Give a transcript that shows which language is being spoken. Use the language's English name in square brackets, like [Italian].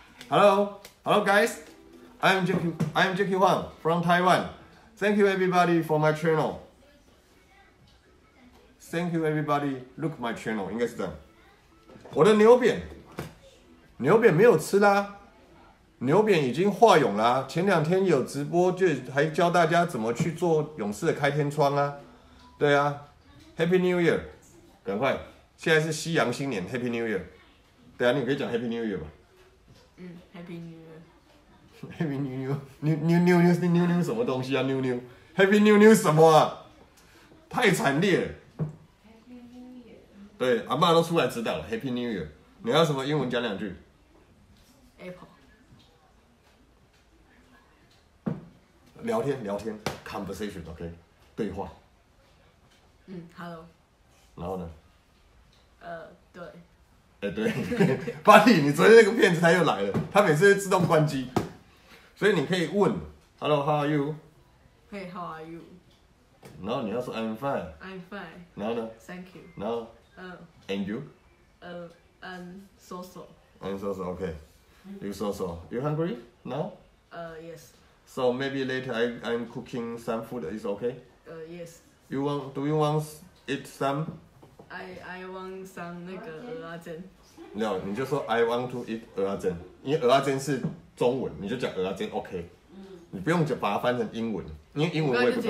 [English] Hello, hello guys, I'm Jackie Huang from Taiwan. Thank you everybody for my channel. Thank you everybody, look my channel, [Chinese] 应该是这样。我的牛扁，牛扁没有吃啦，牛扁已经化蛹啦。前两天有直播，就还教大家怎么去做勇士的开天窗啊。对啊 ， [English] Happy New Year， [Chinese] 赶快，现在是西洋新年 ，Happy New Year。对啊，你可以讲 [English] Happy New Year [Chinese] 吧。 [English] 嗯 ，Happy New Year。 Happy New Year， New [Chinese] 什么东西啊 [English] ？New New Happy New New [Chinese] 什么啊？太惨烈了。对，阿嬷都出来指导了 ， [English] Happy New Year。 [Chinese] 你要什么英文讲两句 [English] ？Apple。 [Chinese] 聊天聊天 [English] ，conversation，OK，、okay? [Chinese] 对话。 [English] 嗯 ，Hello。 [Chinese] 然后呢？对。哎、欸、对，巴蒂，你昨天那个骗子他又来了，他每次自动关机，所以你可以问 ， [English] Hello，How are you？ Hey， How are you？ [Chinese] 然后你要说 [English] I'm fine。 I'm fine。 [Chinese] 然后呢 [English] ？Thank you。 [Chinese] 然后。 [English] And you? So-so. And so-so, okay. You so-so. You hungry now? Yes. So maybe later I'm cooking some food, is okay? Yes. Do you want to eat some? I want some [Chinese] 那个蚵仔煎。 [English] No, [Chinese] 你就说 [English] I want to eat 蚵仔煎。 [Chinese] 因为蚵仔煎是中文，你就讲蚵仔煎 okay。你不用把它翻成英文，因为英文我也不懂。